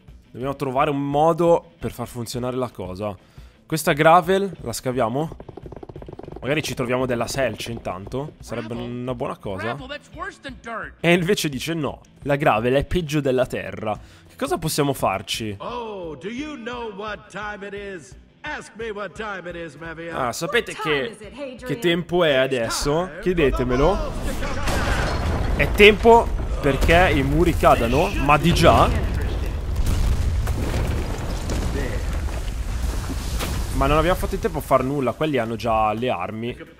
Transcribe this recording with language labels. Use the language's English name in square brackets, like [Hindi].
[Italian] Dobbiamo trovare un modo per far funzionare la cosa. Questa gravel la scaviamo? Magari ci troviamo della selce intanto. Sarebbe una buona cosa. E invece dice no, la gravel è peggio della terra. Cosa possiamo farci? [English] Oh, do you know what time it is? Ask me what time it is, Mevia. [Italian] Ah, sapete che tempo è adesso? Chiedetemelo. È tempo perché i muri cadano, ma di già. Ma non abbiamo fatto in tempo a far nulla, quelli hanno già le armi.